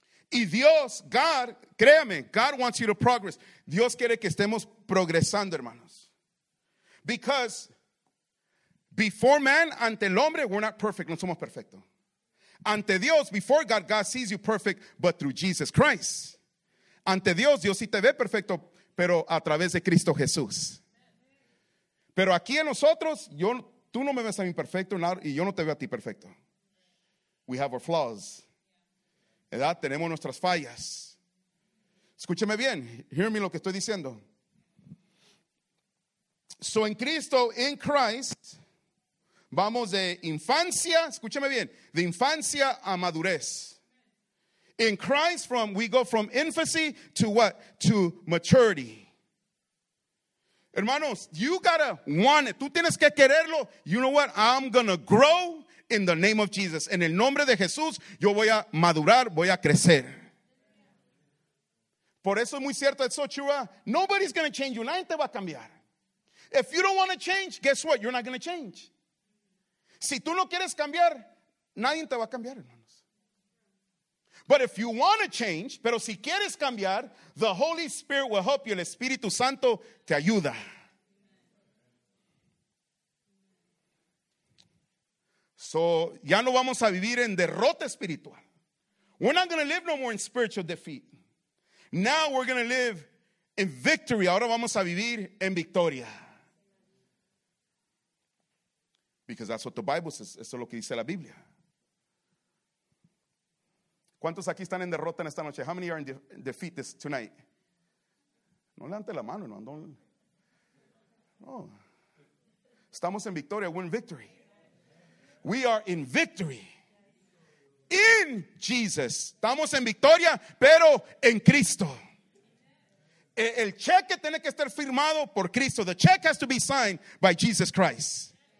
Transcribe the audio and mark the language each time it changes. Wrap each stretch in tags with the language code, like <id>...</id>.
<es>Y Dios,</es> <en>God,</en> <es>créame,</es> <en>God wants you to progress.</en> <es>Dios quiere que estemos progresando, hermanos.</es> <en>Because before man,</en> <es>ante el hombre,</es> <en>we're not perfect.</en> <es>No somos perfectos. Ante Dios,</es> <en>before God, God sees you perfect, but through Jesus Christ.</en> <es>Ante Dios, Dios sí te ve perfecto, pero a través de Cristo Jesús. Pero aquí en nosotros, tú no me ves a mí perfecto y yo no te veo a ti perfecto.</es> <en>We have our flaws.</en> <es>¿Verdad? Tenemos nuestras fallas. Escúcheme bien.</es> <en>Hear me</en> <es>lo que estoy diciendo. So en Cristo,</es> <en>in Christ,</en> <es>vamos de infancia, escúcheme bien, de infancia a madurez.</es> <en>In Christ, we go from infancy to what? To maturity. Hermanos, you gotta want it.</en> <es>Tú tienes que quererlo.</es> <en>You know what? I'm gonna grow in the name of Jesus.</en> <es>En el nombre de Jesús, yo voy a madurar, voy a crecer. Por eso es muy cierto,</es> <en>it's so true. Nobody's gonna change you.</en> <es>Nadie te va a cambiar.</es> <en>If you don't want to change, guess what? You're not gonna change.</en> <es>Si tú no quieres cambiar, nadie te va a cambiar, hermanos.</es> <en>But if you want to change,</en> <es>pero si quieres cambiar,</es> <en>the Holy Spirit will help you.</en> <es>El Espíritu Santo te ayuda. So, ya no vamos a vivir en derrota espiritual.</es> <en>We're not going to live no more in spiritual defeat. Now we're going to live in victory.</en> <es>Ahora vamos a vivir en victoria.</es> <en>Because that's what the Bible says.</en> <es>Eso es lo que dice la Biblia. ¿Cuántos aquí están en derrota en esta noche?</es> <en>How many are in defeat this tonight?</en> <es>No levante la mano, no. No. Estamos en victoria.</es> <en>We're in victory. We are in victory. In Jesus.</en> <es>Estamos en victoria, pero en Cristo. El cheque tiene que estar firmado por Cristo.</es> <en>The check has to be signed by Jesus Christ.</en>